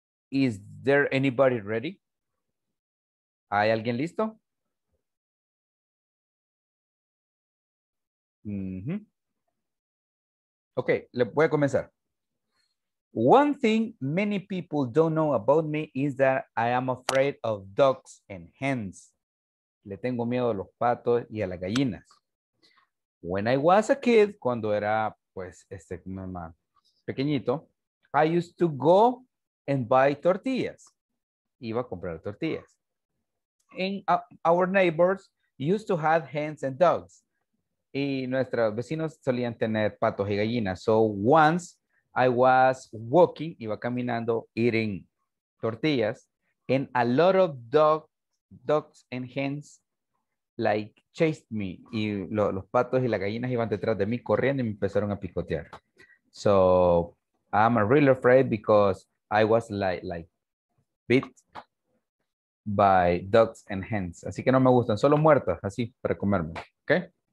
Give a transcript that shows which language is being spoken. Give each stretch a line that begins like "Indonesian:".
English: Is there anybody ready?
Spanish: ¿Hay alguien listo? Mm-hmm. Okay, le voy a comenzar.
English: One thing many people don't know about me is that I am afraid of ducks and hens.
Spanish: Le tengo miedo a los patos y a las gallinas.
English: When I was a kid,
Spanish: cuando era, pues, mamá, pequeñito,
English: I used to go and buy tortillas.
Spanish: Iba a comprar tortillas.
English: And our neighbors used to have hens and dogs.
Spanish: Y nuestros vecinos solían tener patos y gallinas.
English: So once I was walking,
Spanish: iba caminando,
English: eating tortillas, and a lot of dogs and hens like chased me.
Spanish: Y los patos y las gallinas iban detrás de mí corriendo y me empezaron a picotear.
English: So I'm really afraid because I was like bit by dogs and hens.
Spanish: Así que no me gustan, solo muertas, así para comerme.
English: Okay?